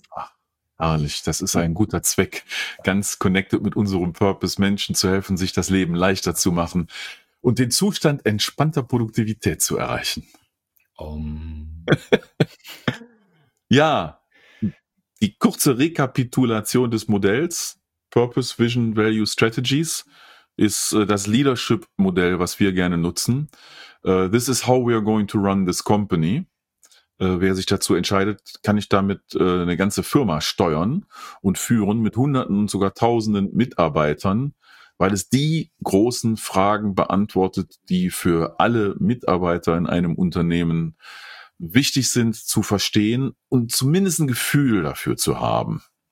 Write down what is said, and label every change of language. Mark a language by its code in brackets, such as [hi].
[de] Ach, ehrlich, das ist ein guter Zweck, ganz connected mit unserem Purpose, Menschen zu helfen, sich das Leben leichter zu machen und den Zustand entspannter Produktivität zu erreichen. Ja, die kurze Rekapitulation des Modells, Purpose, Vision, Value, Strategies, ist das Leadership-Modell, was wir gerne nutzen. [en] This is how we are going to run this company. [de] Wer sich dazu entscheidet, kann ich damit eine ganze Firma steuern und führen mit Hunderten und sogar Tausenden Mitarbeitern, weil es die großen Fragen beantwortet, die für alle Mitarbeiter in einem Unternehmen wichtig sind zu verstehen und zumindest ein Gefühl dafür zu haben.